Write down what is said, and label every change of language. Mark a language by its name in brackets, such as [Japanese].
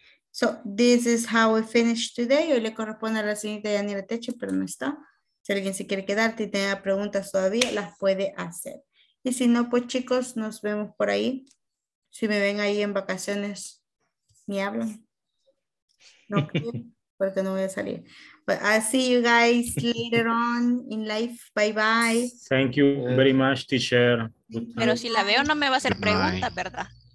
[English] So, this is how we finish today. [Spanish] Hoy le corresponde a la siguiente Yanira Teche, pero no está. Si alguien se quiere quedar y tenga preguntas todavía, las puede hacer. Y si no, pues chicos, nos vemos por ahí. Si me ven ahí en vacaciones, me hablan. No, porque no voy a salir. [English] But I'll see you guys later on in life. Bye bye. Thank you very much, teacher. [Spanish] Pero si la veo, no me va a hacer preguntas, ¿verdad?